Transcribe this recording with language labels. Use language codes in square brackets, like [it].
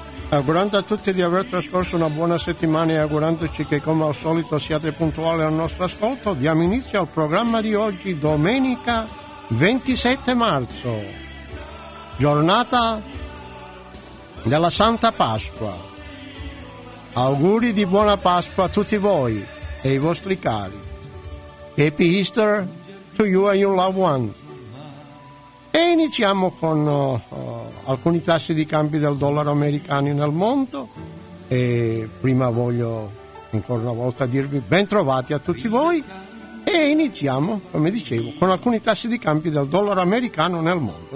[it] Augurando a tutti di aver trascorso una buona settimana e augurandoci che come al solito siate puntuali al nostro ascolto, diamo inizio al programma di oggi, domenica 27 marzo, giornata della Santa Pasqua. Auguri di buona Pasqua a tutti voi e i vostri cari. [en] Happy Easter to you and your loved ones. [it] E iniziamo con alcuni tassi di cambio del dollaro americano nel mondo. E prima voglio ancora una volta dirvi ben trovati a tutti voi. E iniziamo, come dicevo, con alcuni tassi di cambio del dollaro americano nel mondo.